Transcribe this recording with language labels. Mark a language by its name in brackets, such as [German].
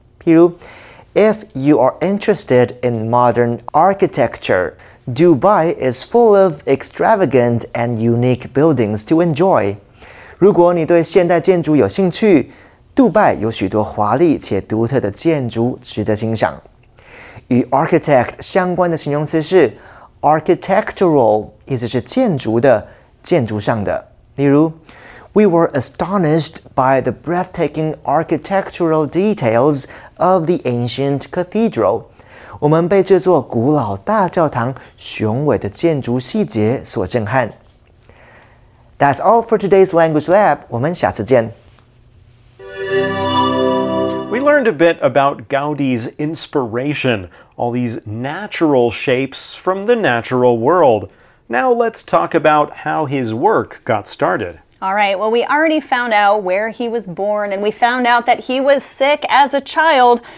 [Chinese] 譬如, [English] if you are interested in modern architecture, Dubai is full of extravagant and unique buildings to enjoy. [Chinese] 如果你对现代建筑有兴趣, 杜拜有许多华丽且独特的建筑值得欣赏。与architect相关的形容词是 architectural, 意思是建筑的, 建筑上的。例如, [English] we were astonished by the breathtaking architectural details of the ancient cathedral. [Chinese] 我们被这座古老大教堂雄伟的建筑细节所震撼。 [English] That's all for today's Language Lab. [Chinese] 我们下次见。 [English] We learned a bit about Gaudi's inspiration, all these natural shapes from the natural world. Now let's talk about how his work got started. All right, well, we already found out where he was born, and we found out that he was sick as a child.